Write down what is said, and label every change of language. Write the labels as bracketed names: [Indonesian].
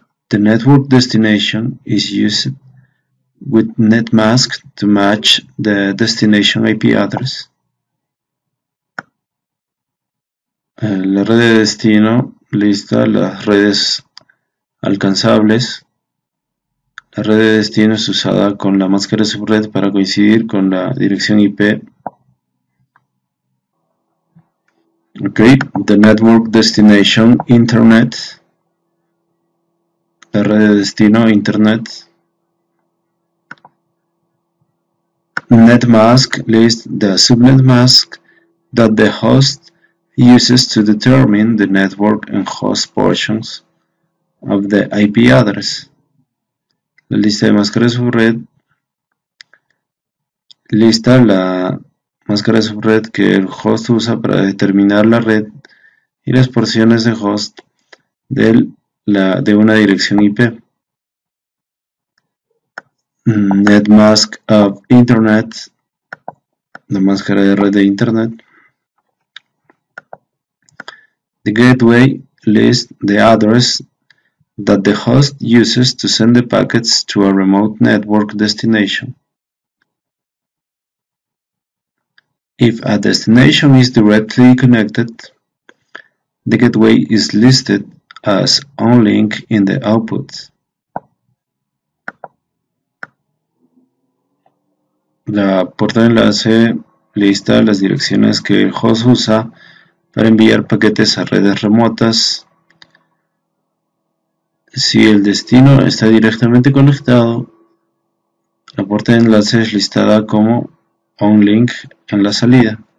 [English] The network destination is used with NetMask to match the destination IP address. [Spanish] La red de destino lista las redes alcanzables. La red de destino es usada con la máscara subred para coincidir con la dirección IP. [English] Ok, the network destination, internet. [Spanish] La red de destino, internet. [English] NetMask list the subnet mask that the host uses to determine the network and host portions of the IP address. [Spanish] La lista de máscaras subred lista la máscara subred que el host usa para determinar la red y las porciones de host de una dirección IP. [English] Netmask of Internet, [Spanish] la máscara de red de Internet. [English] The gateway list the address that the host uses to send the packets to a remote network destination. If a destination is directly connected, the gateway is listed as onlink in the output. [Spanish] La puerta de enlace lista las direcciones que el host usa para enviar paquetes a redes remotas. Si el destino está directamente conectado, la puerta de enlace es listada como onlink en la salida.